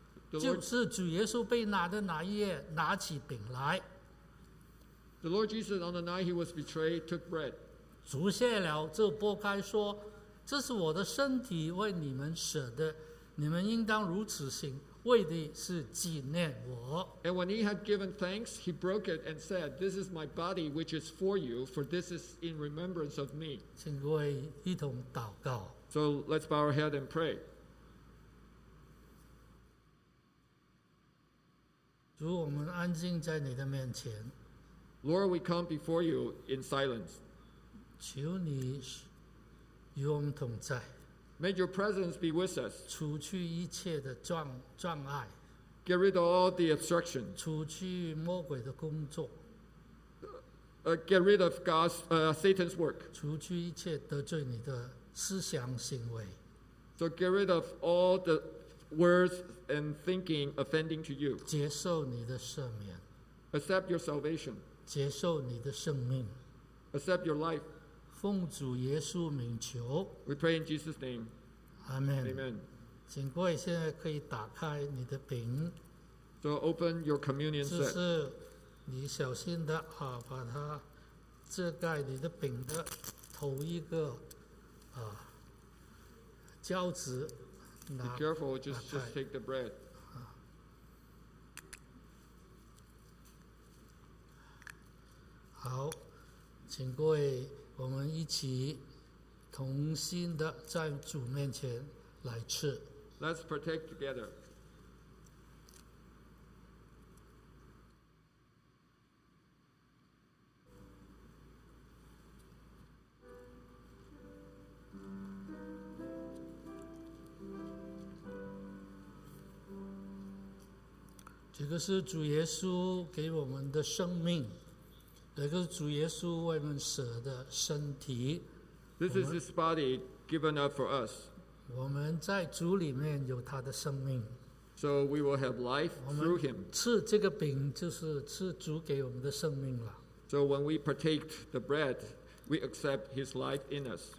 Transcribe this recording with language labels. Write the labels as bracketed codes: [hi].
[zh] 就是主耶稣被拿的那夜，拿起饼来。 [en] The Lord Jesus, on the night he was betrayed, took bread. [zh] 主谢了，就擘开说：“这是我的身体，为你们舍的，你们应当如此行，为的是纪念我。” [en] And when he had given thanks, he broke it and said, "This is my body, which is for you. For this is in remembrance of me." [zh] 请各位一同祷告。 [en] So let's bow our head and pray. [zh] 主，我们安静在你的面前。 [en] Lord, we come before you in silence. [zh] 求你与我们同在。 [en] May your presence be with us. [zh] 除去一切的障碍。 [en] Get rid of all the obstruction. [zh] 除去魔鬼的工作。 [en] Get rid of God's, Satan's work. [zh] 除去一切得罪你的思想行为。 [en] So get rid of all the words. And thinking offending to you. [zh] 接受你的赦免。 [en] Accept your salvation. [zh] 接受你的生命。 [en] Accept your life. [zh] 奉主耶稣名求。 [en] We pray in Jesus' name. Amen. Amen. [zh] 请各位现在可以打开你的饼。 [en] So open your communion set. [zh] 只是你小心的把它遮盖你的饼的头一个胶纸。 [en] Be careful, just take the bread. [zh] 好，请各位，我们一起同心的在主面前来吃。 [en] Let's partake together. [zh] 这个是主耶稣给我们的生命，这个是主耶稣为我们舍的身体。 [en] This is his body given up for us. [zh] 我们在主里面有他的生命。 [en] So we will have life through him. [zh] 吃这个饼就是吃主给我们的生命了。 [en] So when we partake the bread, we accept his life in us.